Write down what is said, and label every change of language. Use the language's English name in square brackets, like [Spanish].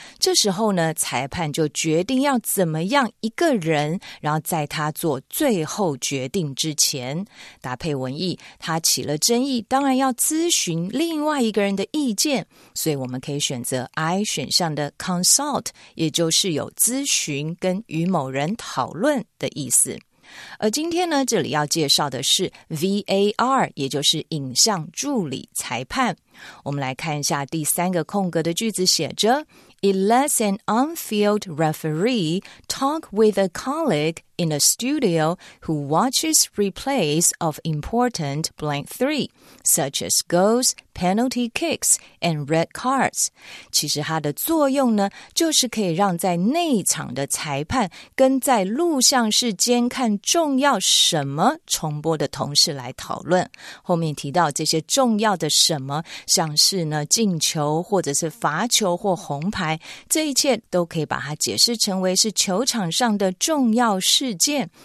[Chinese] 这时候呢，裁判就决定要怎么样一个人，然后在他做最后决定之前，搭配文意，他起了争议，当然要咨询另外一个人的意见。所以我们可以选择 I 选项的 consult， 也就是有咨询跟与某人讨论的意思。而今天呢，这里要介绍的是 VAR， 也就是影像助理裁判。我们来看一下第三个空格的句子写着 [English] It lets an on-field referee talk with a colleague in a studio who watches replays of important blank three, such as goals, penalty kicks, and red cards. [Chinese] 其实它的作用呢，就是可以让在内场的裁判跟在录像室监看重要什么重播的同事来讨论。后面提到这些重要的什么像是呢进球或者是罚球或红牌，这一切都可以把它解释成为是球场上的重要事件。